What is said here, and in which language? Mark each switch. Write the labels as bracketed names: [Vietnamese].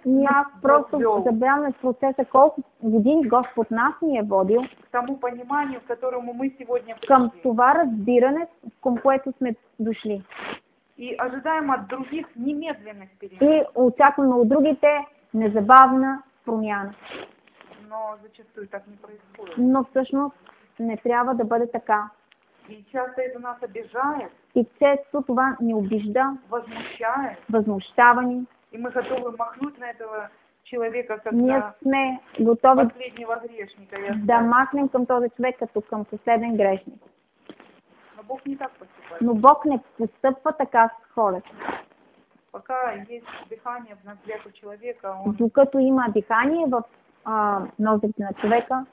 [Bulgarian] ние нас просто забравяме процеса, колко години Господ нас ни е водил. [Russian] К тому пониманию, к которому мы сегодня пришли. [Bulgarian] Към това разбиране, към което сме дошли. [Russian] И ожидаем от других немедленных перемен. [Bulgarian] И очакваме от другите незабавна промяна. [Russian] Но зачастую так не происходит. [Bulgarian] Но всъщност не трябва да бъде така. [Russian] И часто это нас обижает. [Bulgarian] И често това ни обижда. Възмущает. Възмущава ни. [Russian] И мы готовы махнуть на этого человека, как [Bulgarian] ние сме готови [Russian] последнего грешника. Да знаю. [Bulgarian] Махнем към този човек, като към последен грешник. [Russian] Но Бог не так поступает. [Bulgarian] Но Бог не поступва така с хората. [Russian] Пока есть дыхание в ноздрях у человека, он... [Bulgarian] Докато има дыхание в ноздрите на човека,